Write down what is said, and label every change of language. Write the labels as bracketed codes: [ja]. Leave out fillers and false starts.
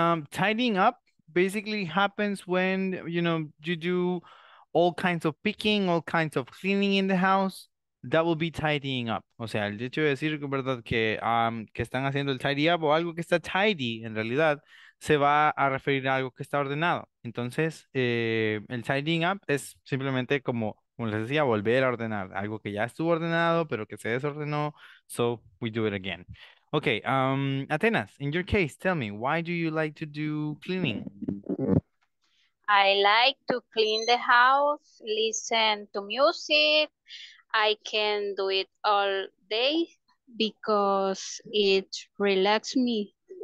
[en] Tidying up basically happens when, you know, you do all kinds of picking, all kinds of cleaning in the house. That will be tidying up. [es] O sea, el hecho de decir, ¿verdad?, que están haciendo el tidy up o algo que está tidy, en realidad, se va a referir a algo que está ordenado. Entonces, el tidying up es simplemente como les decía, volver a ordenar algo que ya estuvo ordenado, pero que se desordenó. [en] So, we do it again. Okay, Atenas, in your case, tell me, why do you like to do cleaning? I like to clean the house, listen to music. I can do it all day because it relaxes me.